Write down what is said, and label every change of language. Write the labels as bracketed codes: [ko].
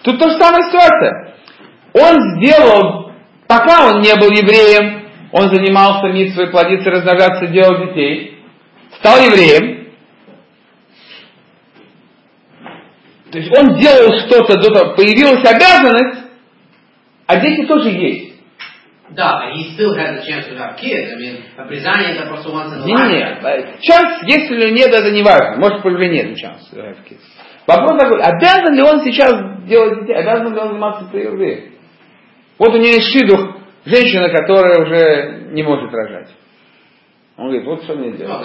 [ru] Тут то же самое ситуация. Он сделал, пока он не был евреем, он занимался митвой, плодиться, размножаться, делал детей. Стал евреем. То есть он делал что-то, появилась обязанность, а дети тоже есть. [en] Да, but he still has a chance to have kids. I mean, [ru] обрезание это просто [en] once in a lifetime. [ru] Нет, шанс, если или нет, это не важно. Может, или нет, шанс. Вопрос такой, обязан ли он сейчас делать детей? Обязан ли он заниматься прививкой? Вот у нее есть шидух, женщина, которая уже не может рожать. Он говорит, вот что мне делать.